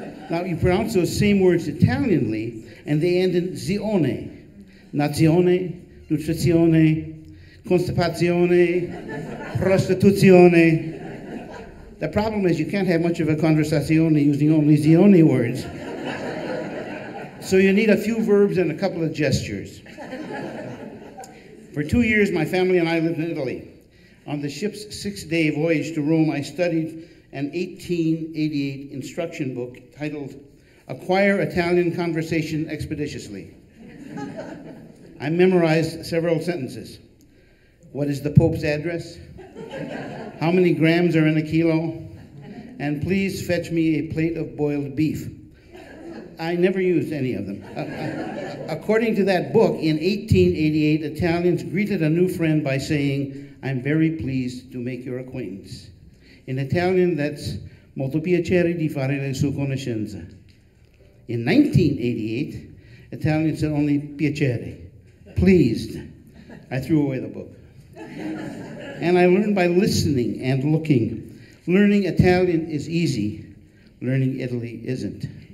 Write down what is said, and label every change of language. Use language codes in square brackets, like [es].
[en] Now, you pronounce those same words Italianly, and they end in zione, nazione, nutrizione, constipazione, prostituzione. The problem is you can't have much of a conversazione using only zione words. So you need a few verbs and a couple of gestures. For 2 years, my family and I lived in Italy. On the ship's six-day voyage to Rome, I studied an 1888 instruction book titled Acquire Italian Conversation Expeditiously. I memorized several sentences. What is the Pope's address? How many grams are in a kilo? And please fetch me a plate of boiled beef. I never used any of them. According to that book, in 1888, Italians greeted a new friend by saying, I'm very pleased to make your acquaintance. In Italian, that's [it] molto piacere di fare la sua conoscenza. [en] In 1988, Italians said only piacere, pleased. I threw away the book. And I learned by listening and looking. Learning Italian is easy. Learning Italy isn't.